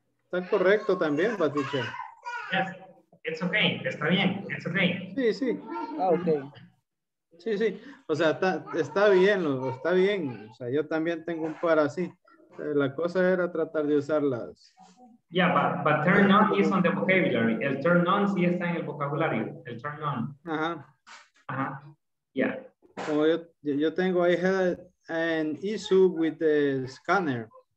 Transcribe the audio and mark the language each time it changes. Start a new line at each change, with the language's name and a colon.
Spanish: Está correcto también, Patricia.
English: Yes, it's okay,
Spanish: está bien,
English: it's okay.
Spanish: Sí, sí. Ah, okay. Sí, sí. O sea, está bien. O sea, yo también tengo un par así. La cosa era tratar de usarlas.
English: Yeah, but turn on is on the vocabulary.
Spanish: El turn on sí está en el vocabulario. El turn on. Ajá. Ajá. Yeah. Como yo tengo,
English: I had an issue with the scanner.